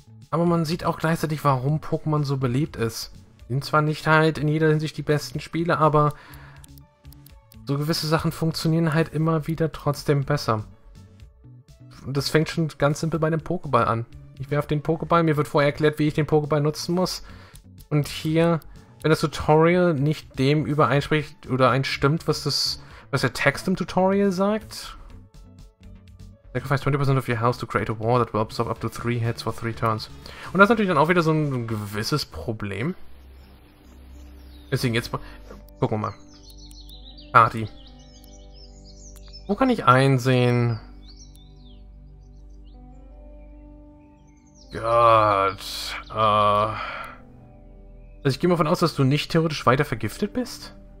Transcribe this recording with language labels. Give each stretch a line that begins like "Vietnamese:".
German: Aber man sieht auch gleichzeitig, warum Pokémon so beliebt ist. Sind zwar nicht halt in jeder Hinsicht die besten Spiele, aber so gewisse Sachen funktionieren halt immer wieder trotzdem besser. Und das fängt schon ganz simpel bei einem Pokéball an. Ich werfe den Pokéball, mir wird vorher erklärt, wie ich den Pokéball nutzen muss. Und hier, wenn das Tutorial nicht dem übereinspricht oder einstimmt, was der Text im Tutorial sagt.
English: Sacrifice 20% of your health to create a wall that will absorb up to 3 hits for 3 turns.
German: Und das ist natürlich dann auch wieder so ein gewisses Problem. Deswegen jetzt mal... Gucken wir mal. Party. Wo kann ich einsehen... Gott, Also ich gehe mal davon aus, dass du nicht theoretisch weiter vergiftet bist.